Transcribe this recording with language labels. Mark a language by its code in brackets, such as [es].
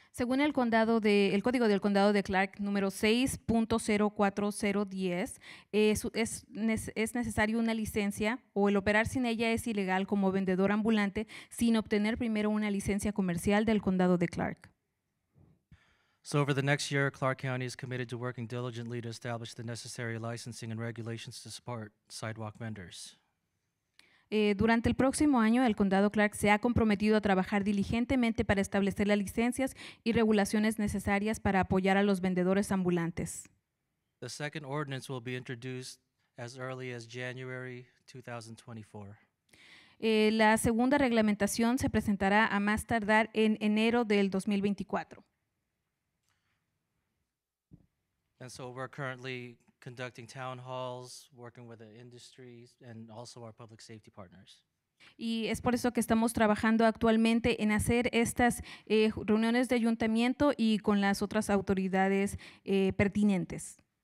[es] Según el código del condado de Clark número 6.04010, es necesario una licencia o el operar sin ella es ilegal como vendedor ambulante sin obtener primero una licencia comercial del condado de Clark. [en] So over the next year, Clark County is committed to working diligently to establish the necessary licensing and regulations to support sidewalk vendors. [es] Durante el próximo año, el condado Clark se ha comprometido a trabajar diligentemente para establecer las licencias y regulaciones necesarias para apoyar a los vendedores ambulantes. [en] The second ordinance will be introduced as early as January 2024. [es] La segunda reglamentación se presentará a más tardar en enero del 2024. [en] And so we're currently conducting town halls, working with the industries, and also our public safety partners. [es] Y es por eso que estamos trabajando actualmente en hacer estas reuniones de ayuntamiento y con las otras autoridades pertinentes.